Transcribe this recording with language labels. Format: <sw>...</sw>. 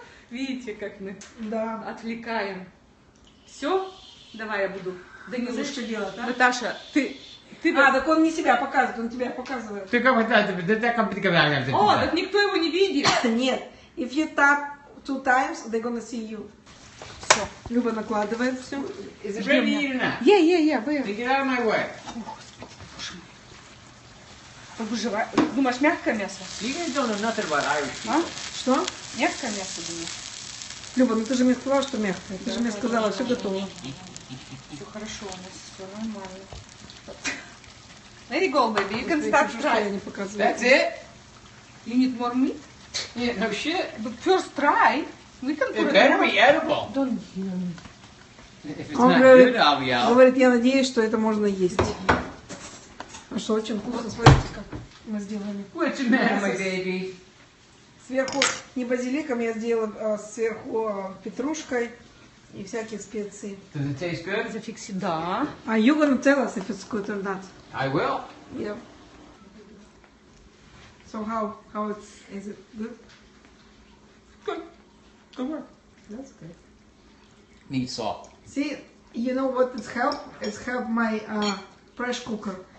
<ru>Видите, как мы отвлекаем. Все? Давай я буду. Да не знаю, что делать, а? Наташа, ты... Ты бы... А, так он не себя показывает, он тебя показывает. Ты как бы так... О, так никто его не видит. Нет.</ru> <en>If you tap two times, they're gonna see you.</en> <ru>Все. Люба накладывает все.</ru> <en>Is it ready or not? Yeah, yeah, yeah. Вы... Take it out of my way.</en> <ru>О, Господи, боже мой. Думаешь, мягкое мясо?</ru> <en>You guys don't know nothing about Irish people.</en> <ru>А? Что? Мягкое мясо, думаю. Люба, ну ты же мне сказала, что мягкое. Ты же мне сказала, все готово. Все хорошо у нас, все нормально.</ru> <en>Very good, baby. You can start trying. That's it. You need more meat? Yeah, no shit. But first try. We can put it better be edible. Don't hear me. If it's not good, I'll yell.</en> <ru>Говорит, я надеюсь, что это можно есть. Что очень вкусно. Смотрите, как мы сделали.</ru> <en>What's the matter, my baby?</en> <ru>Сверху не базиликом, я сделала сверху петрушкой. И всякие специи.</ru> <en>Does it taste good? Is it fixed? Да. Are you gonna tell us if it's good or not? I will. Yeah. So how it's, is it good? Good. Good work. That's good. Need salt. See, you know what it's helped? It's helped my pressure cooker.</en>